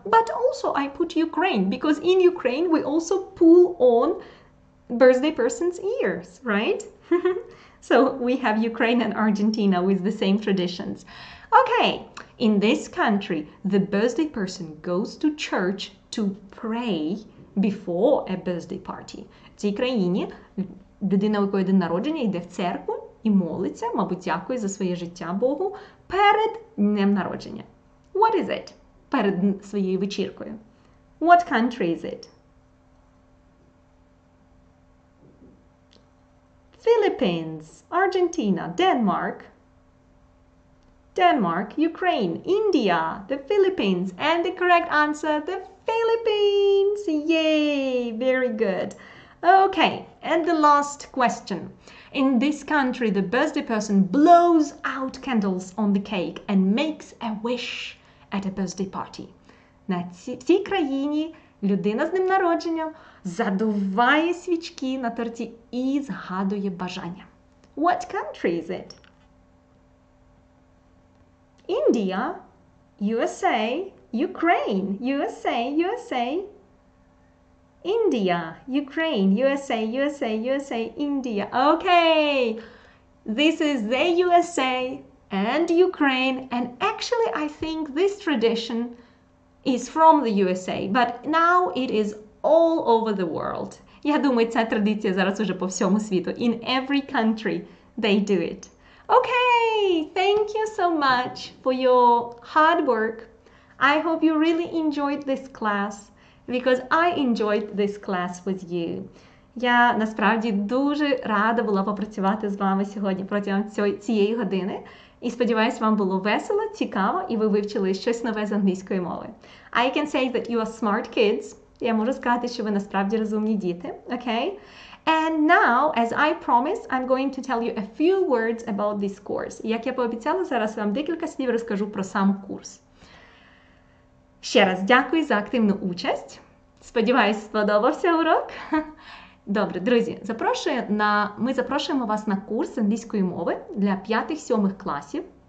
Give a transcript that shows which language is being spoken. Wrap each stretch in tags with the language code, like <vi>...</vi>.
<en>But also I put Ukraine because in Ukraine we also pull on birthday person's ears, right? So we have Ukraine and Argentina with the same traditions. Okay, in this country, the birthday person goes to church to pray before a birthday party.</en> <uk>В цій країні людина, у якої день народження, йде в церкву і молиться, мабуть, дякує за своє життя Богу перед днем народження.</uk> <en>What is it?</en> <uk>Перед своєю вечіркою.</uk> <en>What country is it? Philippines, Argentina, Denmark, Ukraine, India, the Philippines, and the correct answer, the Philippines. Yay, very good. Okay, and the last question. In this country, the birthday person blows out candles on the cake and makes a wish at a birthday party.</en> <uk>На цій країні людина з днем народження задуває свічки на торті і згадує бажання.</uk> <en>What country is it? India, USA, Ukraine, USA, USA. India, Ukraine, USA, USA, USA, India. Okay, this is the USA and Ukraine. And actually, I think this tradition is from the USA, but now it is all over the world.</en> <uk>Я думаю, ця традиція зараз уже по всьому світу.</uk> <en>In every country, they do it. Okay, thank you so much for your hard work. I hope you really enjoyed this class, because I enjoyed this class with you.</en> <uk>Я насправді дуже рада була попрацювати з вами сьогодні протягом цієї години. І сподіваюсь, вам було весело, цікаво, і ви вивчили щось нове з англійської мови.</uk> <en>I can say that you are smart kids.</en> <uk>Я можу сказати, що ви насправді розумні діти, окей?</uk> <en>And now, as I promised, I'm going to tell you a few words about this course.</en> <uk>Як я пообіцяла, зараз вам декілька слів розкажу про сам курс. Ще раз дякую за активну участь. Сподіваюсь, сподобався урок. Добре, друзі, ми запрошуємо вас на курс англійської мови для 5-7 класів.</uk>